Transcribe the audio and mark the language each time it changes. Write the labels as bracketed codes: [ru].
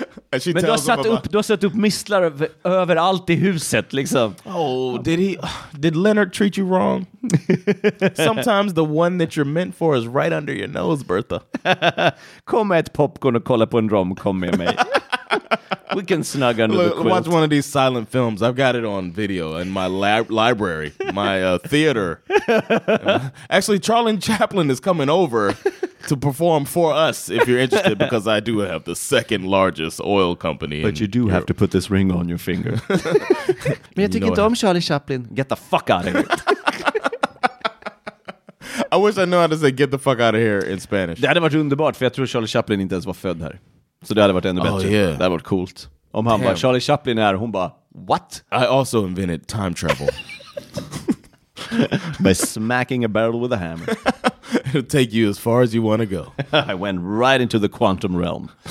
[sv] Men du har satt upp mistlar överallt i huset, liksom. [en] Oh, did Leonard treat you wrong? Sometimes the one that you're meant for is right under your nose, Bertha. [sv] Kom med ett popcorn och kolla på en rom-com med mig. [en] We can snug under the quilt. Watch one of these silent films. I've got it on video in my library, my theater. Actually, Charlie Chaplin is coming over to perform for us, if you're interested, because I do have the second largest oil company. But you do have to put this ring on your finger. [sv] Men jag tycker inte om Charlie Chaplin. [en] Get the fuck out of here. I wish I knew how to say get the fuck out of here in Spanish. [sv] Det hade varit underbart, för jag tror Charlie Chaplin inte ens var född här. Så det hade varit ännu bättre. [en] Oh, yeah. [sv] Det hade varit coolt. Om han bara, Charlie Chaplin är, hon bara, what? [en] I also invented time travel. By smacking a barrel with a hammer. It'll take you as far as you want to go. I went right into the quantum realm.